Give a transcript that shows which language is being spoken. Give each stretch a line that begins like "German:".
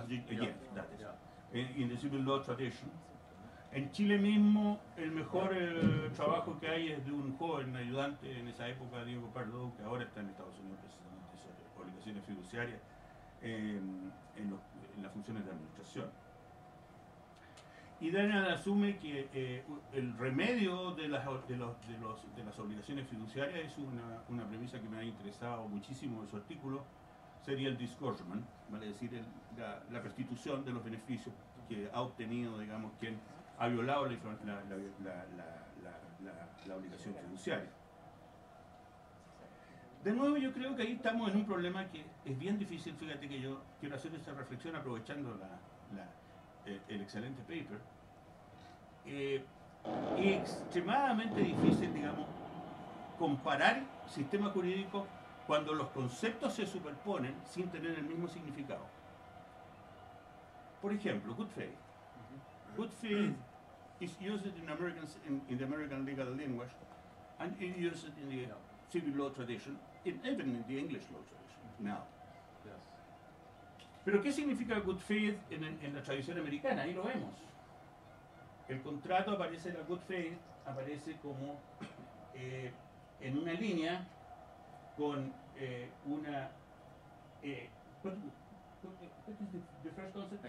English: They are not analyzed in the civil law tradition.
Spanish: En Chile mismo, el mejor trabajo que hay es de un joven ayudante en esa época, Diego Pardo, que ahora está en Estados Unidos precisamente, sobre obligaciones fiduciarias en las funciones de administración. Y Daniel asume que el remedio de las obligaciones fiduciarias es una premisa que me ha interesado muchísimo en su artículo, sería el disgorgement, vale decir, la restitución de los beneficios que ha obtenido, digamos, quien ha violado la obligación fiduciaria. De nuevo, yo creo que ahí estamos en un problema que es bien difícil. Fíjate que yo quiero hacer esta reflexión aprovechando el excelente paper. Es extremadamente difícil, digamos, comparar sistemas jurídicos cuando los conceptos se superponen sin tener el mismo significado. Por ejemplo, good faith.
English: Good faith is used in the American legal language and it is used in the civil law tradition and even in the English law tradition now.
Spanish: ¿Pero qué significa good faith en la tradición americana? Ahí lo vemos. El contrato aparece en la good faith, aparece como en una línea con una... ¿Qué es el primer concepto?